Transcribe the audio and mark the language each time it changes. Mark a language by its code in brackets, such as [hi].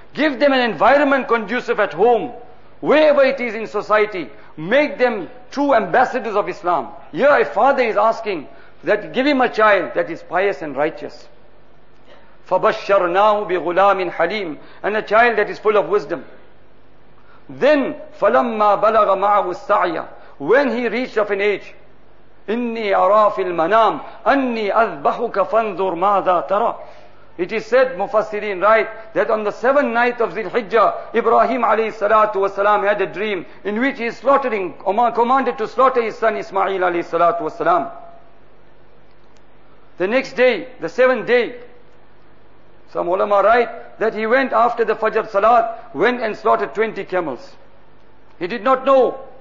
[en] Give them an environment conducive at home. Wherever it is in society, make them true ambassadors of Islam. Here a father is asking that give him a child that is pious and righteous. [ar] فَبَشَّرْنَاهُ بِغُلَامٍ حَلِيمٍ, [en] and a child that is full of wisdom. Then, [ar] فَلَمَّا بَلَغَ مَعَهُ السَّعْيَ, [en] when he reached of an age, [ar] إِنِّي أَرَى فِي الْمَنَامِ أَنِّي أَذْبَحُكَ فَانْظُرْ مَاذَا تَرَى. [en] It is said, Mufassirin write, that on the 7th night of Dhul Hijjah, Ibrahim alayhi salatu wasalam had a dream in which he is slaughtering, Omar commanded to slaughter his son Ismail alayhi salatu wasalam. The next day, the 7th day, some ulama write that he went after the Fajr Salat, went and slaughtered 20 camels. He did not know.